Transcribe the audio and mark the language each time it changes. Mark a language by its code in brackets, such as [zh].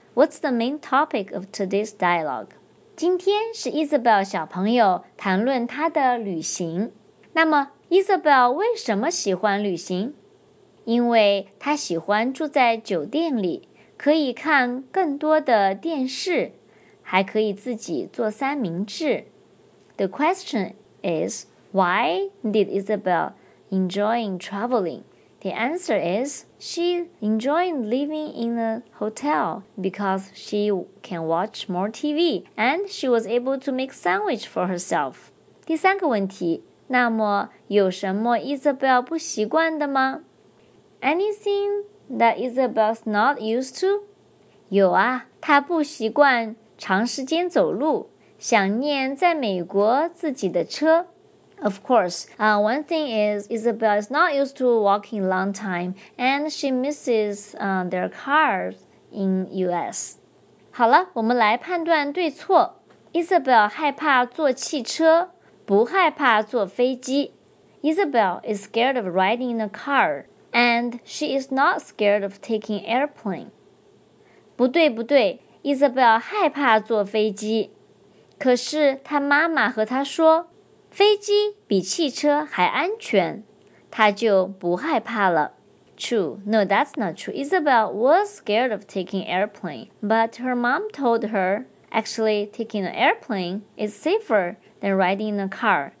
[en] What's the main topic of today's dialogue? [zh] 今天是 Isabel 小朋友谈论她的旅行。那么 Isabel 为什么喜欢旅行？因为她喜欢住在酒店里，可以看更多的电视，还可以自己做三明治。 [en] The question is, why did Isabel enjoying traveling? The answer is, she enjoyed living in a hotel because she can watch more TV and she was able to make sandwich for herself. [zh] 第三个问题，那么有什么 Isabel 不习惯的吗？ [en] Anything that Isabel's not used to? [zh] 有啊，她不习惯长时间走路，想念在美国自己的车。 [en] Of course, one thing is Isabel is not used to walking long time and she misses their cars in US. [zh] 好了，我们来判断对错。Isabel 害怕坐汽车，不害怕坐飞机。 [en] Isabel is scared of riding a car and she is not scared of taking airplane. [zh] 不对不对，Isabel 害怕坐飞机，可是她妈妈和她说，飞机比汽车还安全，她就不害怕了。 [en] True, no, that's not true. Isabel was scared of taking airplane, but her mom told her, actually, taking an airplane is safer than riding in a car.